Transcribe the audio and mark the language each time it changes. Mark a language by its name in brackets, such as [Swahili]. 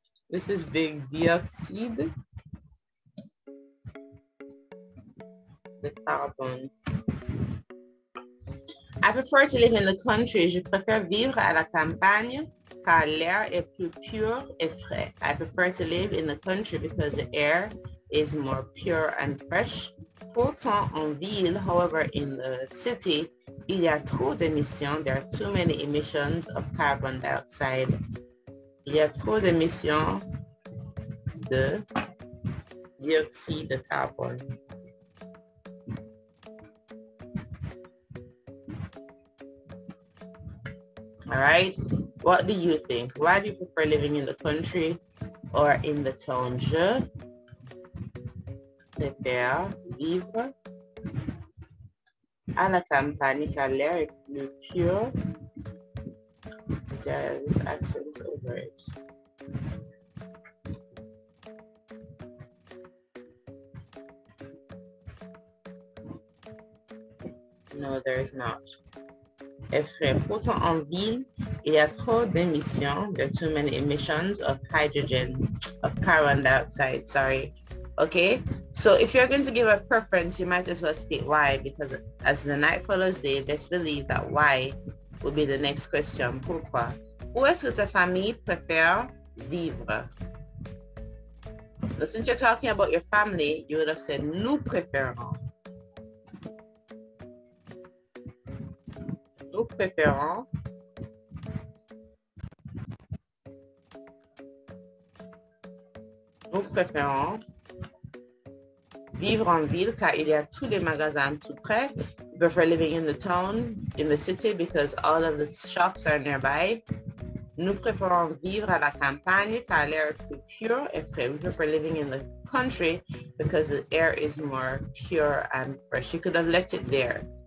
[English] This is big dioxide, the carbon. I prefer to live in the country. [French] Je préfère vivre à la campagne car l'air est plus pur et frais. [English] I prefer to live in the country because the air is more pure and fresh. [French] Pourtant, en ville, [English] however, in the city, [French] il y a trop d'émissions. [English] There are too many emissions of carbon dioxide. [French] Il y a trop d'émissions de dioxyde de carbone. [English] All right. What do you think? Why do you prefer living in the country or in the town? [French] Je préfère vivre à la campagne car l'air est plus pur. [English] This accent over it. No, there is not. [French] Effray. Pourtant, en ville, il y a trop d'émissions. [English] There are too many emissions of hydrogen, of carbon dioxide, sorry. Okay, so if you're going to give a preference, you might as well state why, because as the night follows day, best believe that why will be the next question. [French] Pourquoi? Où est-ce que ta famille préfère vivre? [English] Now, since you're talking about your family, you would have said, [French] nous préférons. Nous préférons vivre en ville car il y a tous les magasins tout près. [English] We prefer living in the town, in the city, because all of the shops are nearby. [French] Nous préférons vivre à la campagne car l'air est plus pur et frais. [English] We prefer living in the country because the air is more pure and fresh. You could have left it there.